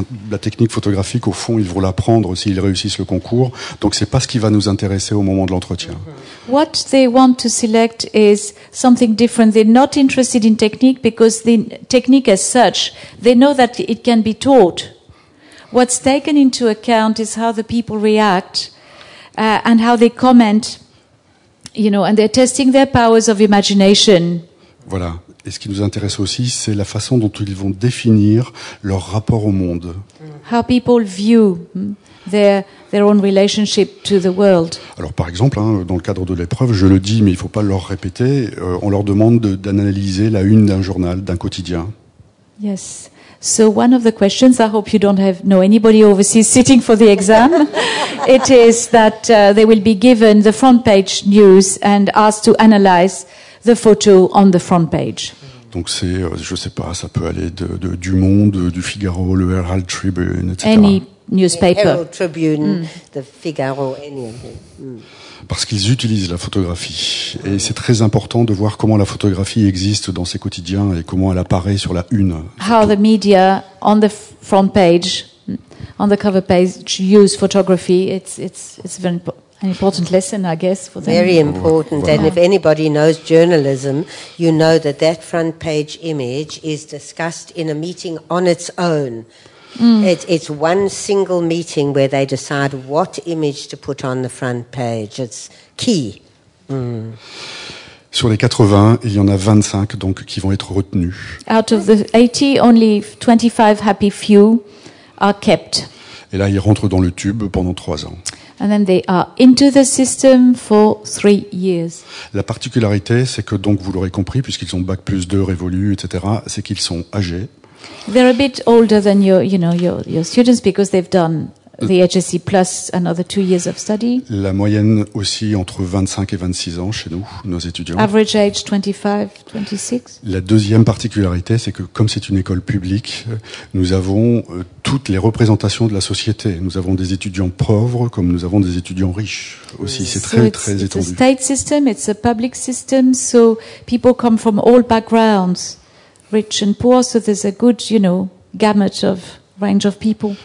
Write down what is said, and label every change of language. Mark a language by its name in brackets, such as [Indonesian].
[French] La technique photographique, au fond, ils vont l'apprendre s'ils réussissent le concours. Donc, c'est pas ce qui va nous intéresser au moment de l'entretien. [English] What they want to select is something different. They're not interested in technique because the technique as such, they know that it can be taught. What's taken into account is how the people react and how they comment. You know, and they're testing their powers of imagination. [French] Voilà. Et ce qui nous intéresse aussi, c'est la façon dont ils vont définir leur rapport au monde. [English] How people view their own relationship to the world. [French] Alors, par exemple, dans le cadre de l'épreuve, je le dis, mais il faut pas leur répéter. On leur demande d'analyser la une d'un journal, d'un quotidien. [English] Yes. So one of the questions, I hope you don't have know anybody overseas sitting for the exam, it is that they will be given the front page news and asked to analyze the photo on the front page. [French] Donc c'est, je sais pas, ça peut aller de du Monde, du Figaro, le Herald Tribune, etc. [English] Any newspaper. Herald Tribune, the Figaro, anything. [French] Parce qu'ils utilisent la photographie. Et c'est très important de voir comment la photographie existe dans ces quotidiens et comment elle apparaît sur la une. [English] How the media on the front page, on the cover page, use photography. It's a very important lesson, I guess, for them. Very important. [French] Voilà. [English] And if anybody knows journalism, you know that that front page image is discussed in a meeting on its own. It's one single meeting where they decide what image to put on the front page. It's key. [French] Sur les 80, il y en a 25 donc qui vont être retenus. [English] Out of the 80, only 25 happy few are kept. [French] Et là, ils rentrent dans le tube pendant 3 ans. [English] And then they are into the system for 3 years. [French] La particularité, c'est que donc vous l'aurez compris, puisqu'ils ont bac plus 2, Révolu, etc., c'est qu'ils sont âgés. [English] They're a bit older than your, you know, your students because they've done the HSC plus another 2 years of study. [French] La moyenne aussi entre 25 et 26 ans chez nous, nos étudiants. [English] Average age 25-26. [French] La deuxième particularité, c'est que comme c'est une école publique, nous avons toutes les représentations de la société. Nous avons des étudiants pauvres comme nous avons des étudiants riches aussi. C'est très très étendu. [English] It's a state system, it's a public system, so people come from all backgrounds, rich and poor, so there's a good, you know, gamut of range of people.